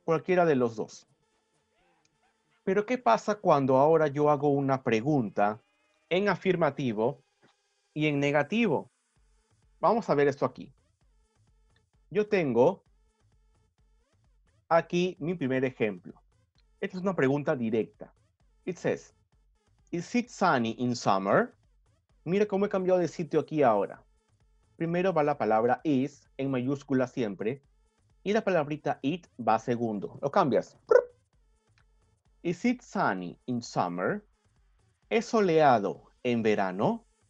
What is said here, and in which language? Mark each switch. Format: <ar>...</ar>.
<es>Cualquiera de los dos. ¿Pero qué pasa cuando ahora yo hago una pregunta en afirmativo y en negativo? Vamos a ver esto aquí. Yo tengo aquí mi primer ejemplo. Esta es una pregunta directa.</es> <en>It says, is it sunny in summer?</en> <es>Mira cómo he cambiado de sitio aquí ahora. Primero va la palabra is, en mayúscula siempre, y la palabrita it va segundo. Lo cambias.</es> <en>Is it sunny in summer?</en> <es>¿Es soleado en verano?</es>